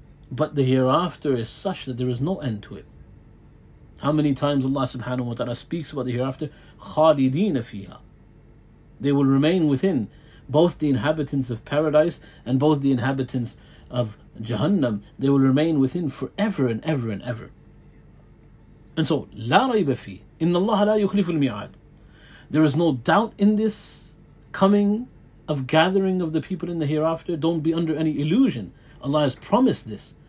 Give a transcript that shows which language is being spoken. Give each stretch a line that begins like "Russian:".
English: But the hereafter is such that there is no end to it. How many times Allah subhanahu wa ta'ala speaks about the hereafter?
Arabic: خَالِدِينَ فِيهَا.
English: They will remain within, both the inhabitants of paradise and both the inhabitants of Jahannam, they will remain within forever and ever and ever. And so,
Arabic: لَا رَيْبَ فِيهِ إِنَّ اللَّهَ لَا يُخْلِفُ الْمِعَادِ.
English: There is no doubt in this coming of gathering of the people in the hereafter. Don't be under any illusion. Allah has promised this.